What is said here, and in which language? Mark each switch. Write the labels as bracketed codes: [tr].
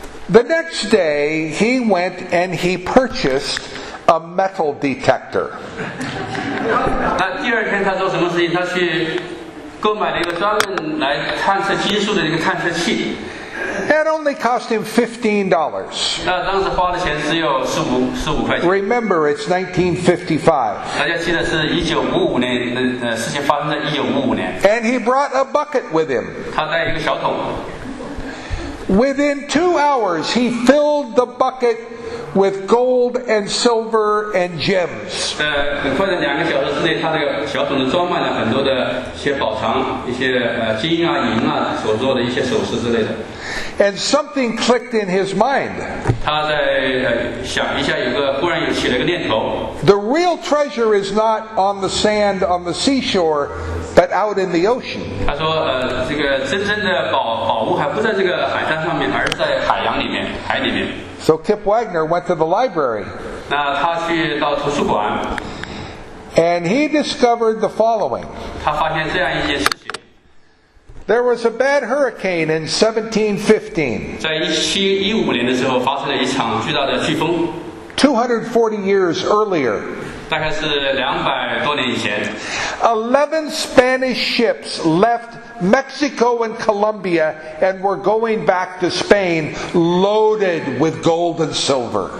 [en] The next day he went and he purchased a metal detector [zh] 那第二天他做什么事情他去购买了一个专门来探测金属的一个探测器 [en] That only cost him $15 [zh] 那当时花的钱只有15块钱 [en] Remember it's 1955 [zh] 大家记得是1955年事情发生在1955年 [en] And he brought a bucket with him [zh] 他带一个小桶 [en] Within 2 hours, he filled the bucket with gold and silver and gems. [zh] 很快的两个小时之内，他这个小桶子装满了很多的一些宝藏，一些金啊、银啊所做的一些首饰之类的。 [en] And something clicked in his mind. [zh] 他在想一下，有个忽然有起了个念头。 [en] The real treasure is not on the sand on the seashore, but out in the ocean. [zh] 他说，这个真正的宝物还不在这个海滩上面，而在海洋里面，海里面。 [en] So Kip Wagner went to the library. [zh] 那他去到图书馆。 [en] And he discovered the following. [zh] 他发现这样一件事。 [en] There was a bad hurricane in 1715. [zh] 在1715年的时候发生了一场巨大的飓风。 [en] 240 years earlier. [zh] 大概是200多年以前。 [en] 11 Spanish ships left Mexico and Colombia and were going back to Spain loaded with gold and silver.